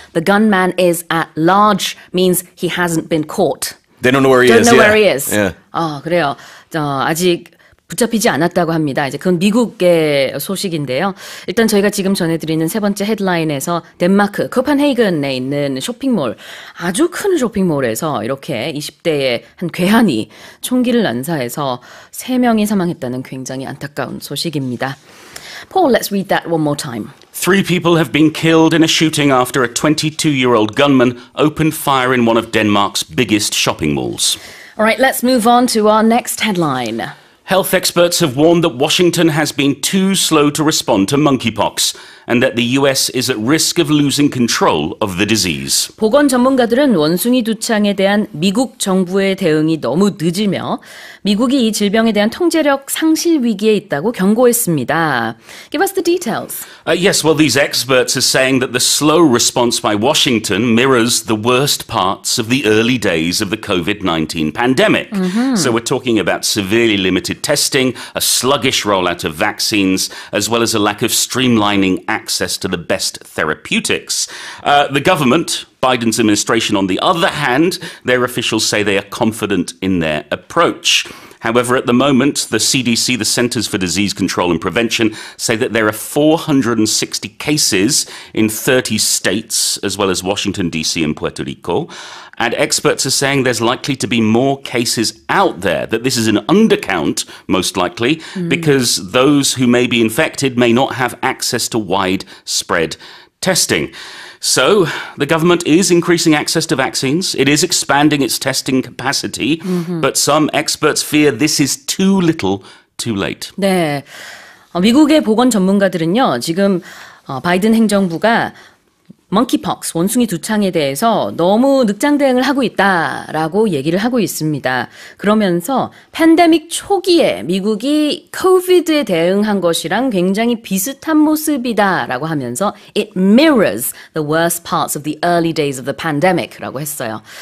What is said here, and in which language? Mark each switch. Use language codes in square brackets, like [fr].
[en] The gunman is at large means he hasn't been caught. They don't know where he don't is. Don't know where yeah. he is. Yeah. [ko] 그래요. 아직 붙잡히지 않았다고 합니다. 이제 그건 미국의 소식인데요. 일단 저희가 지금 전해드리는 세 번째 헤드라인에서 덴마크 코펜하겐에 있는 쇼핑몰 아주 큰 쇼핑몰에서 이렇게 20대의 한 괴한이 총기를 난사해서 세 명이 사망했다는 굉장히 안타까운 소식입니다. [en] Paul, let's read that one more time. Three people have been killed in a shooting after a 22-year-old gunman opened fire in one of Denmark's biggest shopping malls. All right, let's move on to our next headline. Health experts have warned that Washington has been too slow to respond to monkeypox and that the U.S. is at risk of losing control of the disease. [ko] 보건 전문가들은 원숭이 두창에 대한 미국 정부의 대응이 너무 늦으며 미국이 이 질병에 대한 통제력 상실 위기에 있다고 경고했습니다. [en] Give us the details. Yes, well, these experts are saying that the slow response by Washington mirrors the worst parts of the early days of the COVID-19 pandemic. Mm-hmm. So we're talking about severely limited testing, a sluggish rollout of vaccines, as well as a lack of streamlining access to the best therapeutics. The government, Biden's administration, on the other hand, their officials say they are confident in their approach. However, at the moment, the CDC, the Centers for Disease Control and Prevention, say that there are 460 cases in 30 states, as well as Washington, D.C. and Puerto Rico. And experts are saying there's likely to be more cases out there, that this is an undercount, most likely, because those who may be infected may not have access to widespread testing. So, the government is increasing access to vaccines. It is expanding its testing capacity. Mm-hmm. But some experts fear this is too little, too late. [ko] 네. 미국의 보건 전문가들은요, 지금 바이든 행정부가 monkeypox, 원숭이 두창에 대해서 너무 늑장 대응을 하고 있다라고 얘기를 하고 있습니다. 그러면서 팬데믹 초기에 미국이 COVID에 대응한 것이랑 굉장히 비슷한 모습이다라고 하면서 [en] It mirrors the worst parts of the early days of the pandemic [ko] 라고 했어요.